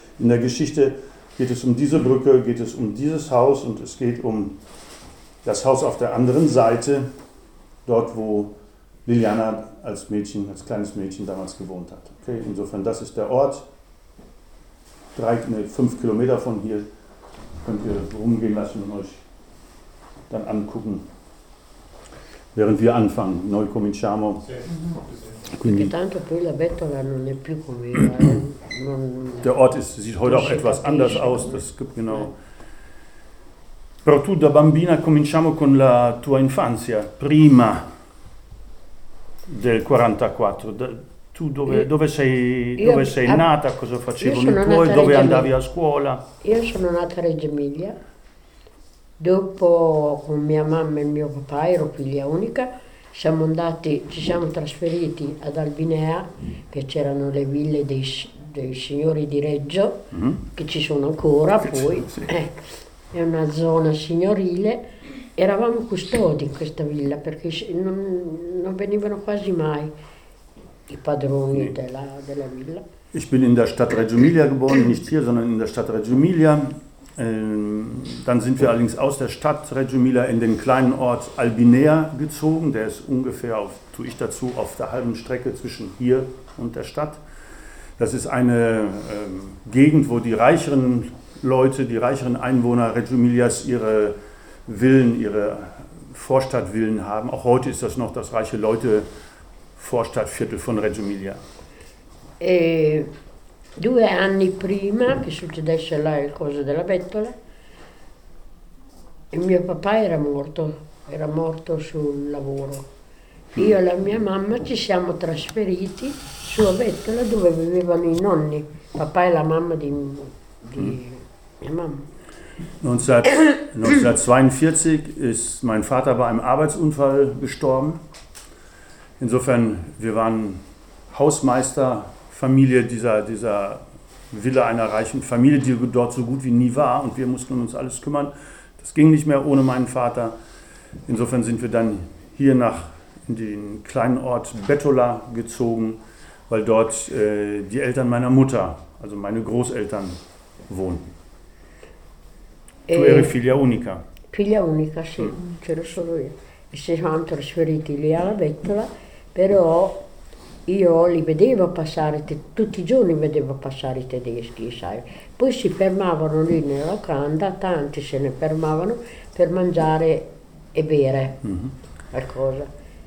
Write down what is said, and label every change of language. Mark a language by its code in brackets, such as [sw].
[de] In der Geschichte geht es um diese Brücke, geht es um dieses Haus und es geht um das Haus auf der anderen Seite, dort wo Liliana als Mädchen, als kleines Mädchen damals gewohnt hat. Okay, insofern, das ist der Ort. 3, 5 Kilometer von hier könnt ihr rumgehen lassen und euch dann angucken, während wir anfangen. [it] Noi cominciamo. Quindi, tanto poi la bettola non è più come era. [de] Der Ort ist, sieht heute auch etwas anders aus. Das gibt genau. [it] Però tu da bambina cominciamo con la tua infanzia, prima del 44. Tu dove sei nata, cosa facevano i tuoi, dove andavi a scuola? Io sono nata a Reggio Emilia. Dopo, con mia mamma e mio papà, ero figlia unica, ci siamo trasferiti ad Albinea, che c'erano le ville dei signori di Reggio, che ci sono ancora poi. Sì. È una zona signorile. Eravamo custodi in questa villa, perché non venivano quasi mai i padroni della villa. [de] Ich bin in der Stadt Reggio Emilia geboren, nicht hier, sondern in der Stadt Reggio Emilia. Dann sind wir allerdings aus der Stadt Reggio Emilia in den kleinen Ort Albinea gezogen. Der ist ungefähr, auf der halben Strecke zwischen hier und der Stadt. Das ist eine Gegend, wo die reicheren Leute, die reicheren Einwohner Reggio Emilias ihre Villen, ihre Vorstadtvillen haben. Auch heute ist das noch das reiche Leute-Vorstadtviertel von Reggio Emilia. [it] Due anni prima che succedesse là il coso della bettola, il mio papà era morto sul lavoro. Io e la mia mamma ci siamo trasferiti sulla bettola dove vivevano i nonni, papà e la mamma di mia mamma. [de] 1942 ist mein Vater bei einem Arbeitsunfall gestorben. Insofern, wir waren Hausmeister Familie dieser Villa einer reichen Familie, die dort so gut wie nie war, und wir mussten uns alles kümmern. Das ging nicht mehr ohne meinen Vater. Insofern sind wir dann hier nach in den kleinen Ort Bettola gezogen, weil dort die Eltern meiner Mutter, also meine Großeltern, wohnen. [it] Tu eri figlia unica. Figlia unica, sì, c'ero solo io. E ci siamo trasferiti lì alla Bettola, però io li vedevo passare, tutti i giorni vedevo passare i tedeschi, sai. Poi si fermavano lì nella locanda, tanti se ne fermavano per mangiare e bere qualcosa.